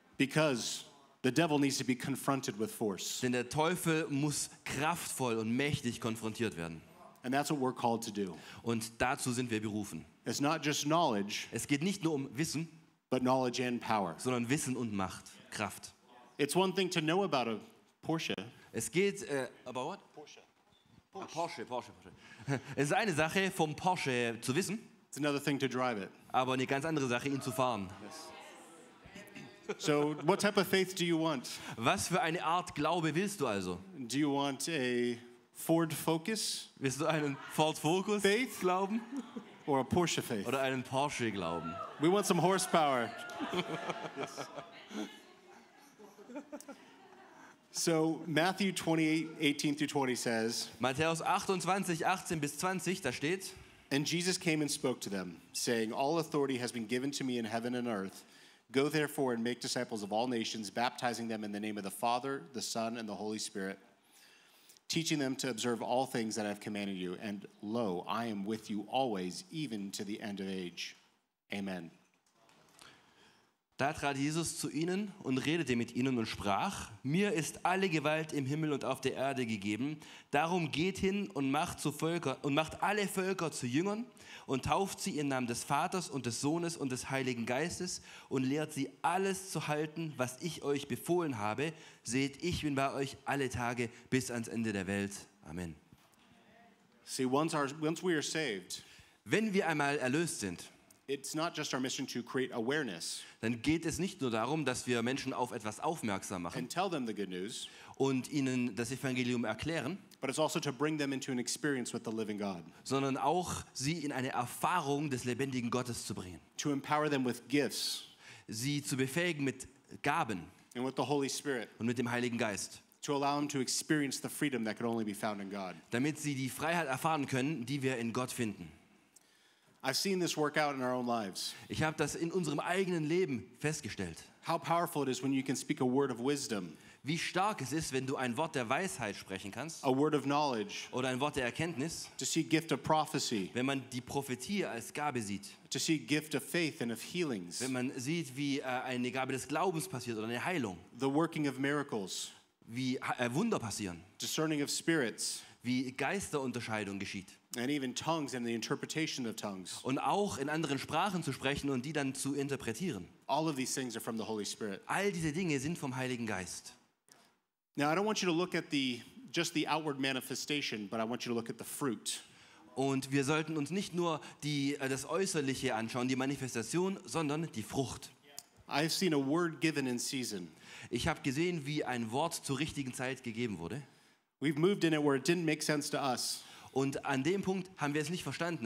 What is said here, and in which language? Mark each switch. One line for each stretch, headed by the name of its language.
English: Because the devil needs to be confronted with force.
German: Denn der Teufel muss kraftvoll und mächtig konfrontiert werden.
English: And that's what we're called to do.
German: Und dazu sind wir berufen.
English: It's not just knowledge.
German: Es geht nicht nur um Wissen.
English: But knowledge and power.
German: Sondern Wissen und Macht, Kraft.
English: It's one thing to know about a Porsche.
German: Es geht
English: about what?
German: Porsche. Porsche. Es ist eine Sache, vom Porsche zu wissen.
English: It's another thing to drive it.
German: Aber eine ganz andere Sache, ihn zu fahren.
English: Yes. So, what type of faith do you want?
German: Was für eine Art Glaube willst du also?
English: Do you want a Ford Focus?
German: Willst du einen Ford Focus
English: faith?
German: Glauben?
English: Or a Porsche faith?
German: Oder einen Porsche Glauben?
English: We want some horsepower. Yes. So Matthew 28:18-20 says.
German: Matthäus 28:18-20, da steht.
English: And Jesus came and spoke to them, saying, "All authority has been given to me in heaven and earth. Go therefore and make disciples of all nations, baptizing them in the name of the Father, the Son, and the Holy Spirit, teaching them to observe all things that I have commanded you. And lo, I am with you always, even to the end of age. Amen."
German: Da trat Jesus zu ihnen und redete mit ihnen und sprach, mir ist alle Gewalt im Himmel und auf der Erde gegeben. Darum geht hin und macht zu Völker und macht alle Völker zu Jüngern und tauft sie im Namen des Vaters und des Sohnes und des Heiligen Geistes und lehrt sie alles zu halten, was ich euch befohlen habe. Seht, ich bin bei euch alle Tage bis ans Ende der Welt. Amen.
English: See, once we are saved.
German: Wenn wir einmal erlöst sind,
English: it's not just our mission to create awareness.
German: Dann geht es nicht nur darum, dass wir Menschen auf etwas aufmerksam machen.
English: And tell them the good news.
German: Und ihnen das Evangelium erklären.
English: But it's also to bring them into an experience with the living God.
German: Sondern auch sie in eine Erfahrung des lebendigen Gottes zu bringen.
English: To empower them with gifts.
German: Sie zu befähigen mit Gaben.
English: And with the Holy Spirit.
German: Und mit dem Heiligen Geist.
English: To allow them to experience the freedom that could only be found in God.
German: Damit sie die Freiheit erfahren können, die wir in Gott finden.
English: I've seen this work out in our own lives.
German: Ich habe das in unserem eigenen Leben festgestellt.
English: How powerful it is when you can speak a word of wisdom.
German: Wie stark es ist, wenn du ein Wort der Weisheit sprechen kannst.
English: A word of knowledge.
German: Oder ein Wort der Erkenntnis.
English: To see gift of prophecy.
German: Wenn man die Prophetie als Gabe sieht.
English: To see gift of faith and of healings.
German: Wenn man sieht, wie eine Gabe des Glaubens passiert oder eine Heilung.
English: The working of miracles.
German: Wie Wunder passieren.
English: Discerning of spirits.
German: Wie Geisterunterscheidung geschieht.
English: And even tongues and the interpretation of tongues.
German: Und auch in anderen Sprachen zu sprechen und die dann zu interpretieren.
English: All of these things are from the Holy Spirit.
German: All diese Dinge sind vom Heiligen Geist.
English: Now I don't want you to look at just the outward manifestation, but I want you to look at the fruit.
German: Und wir sollten uns nicht nur das Äußerliche anschauen, die Manifestation, sondern die Frucht.
English: I've seen a word given in season.
German: Ich habe gesehen, wie ein Wort zur richtigen Zeit gegeben wurde.
English: We've moved in it where it didn't make sense to us.
German: Und an dem Punkt haben wir es nicht verstanden.